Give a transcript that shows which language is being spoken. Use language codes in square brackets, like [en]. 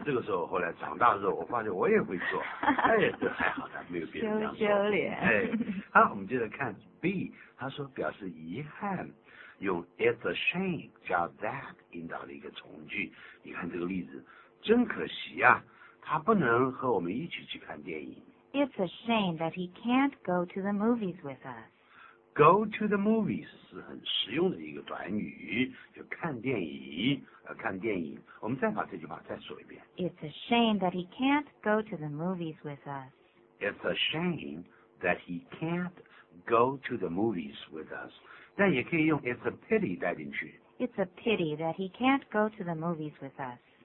[zh] 这个时候，后来长大的时候，我发现我也会做，哎，这还好的，没有别人这样说。羞脸。哎，好，我们接着看 B， 他说表示遗憾，用 [en] it's a shame [zh] 加 that 引导了一个从句。你看这个例子，真可惜啊，他不能和我们一起去看电影。 [en] It's a shame that he can't go to the movies with us. Go to the movies [zh] 是很实用的一个短语，就看电影。看电影，我们再把这句话再说一遍。 [en] It's a shame that he can't go to the movies with us. It's a shame that he can't go to the movies with us. [zh] 但也可以用 [en] it's a pity [zh] 带进去。 [en] It's a pity that he can't go to the movies with us.